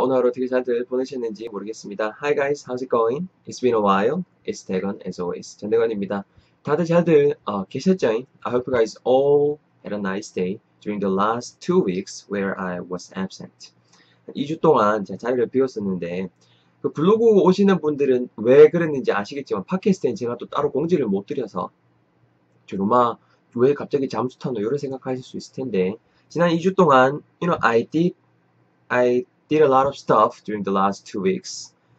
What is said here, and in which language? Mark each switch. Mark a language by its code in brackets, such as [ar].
[ko] 오늘 하루 어떻게 잘들 보내셨는지 모르겠습니다. [en] Hi guys, how's it going? It's been a while. It's 대건, as always. 전대건입니다. [ko] 다들 잘들 계셨죠? [en] I hope you guys all had a nice day during the last 2 weeks where I was absent. [ko] 2주 동안 제가 자리를 비웠었는데, 그 블로그 오시는 분들은 왜 그랬는지 아시겠지만, 팟캐스트엔 제가 또 따로 공지를 못 드려서, 주로마 왜 갑자기 잠수탔노? 이런 생각하실 수 있을 텐데, 지난 2주 동안, [en] I did a lot of stuff during the last 2 weeks.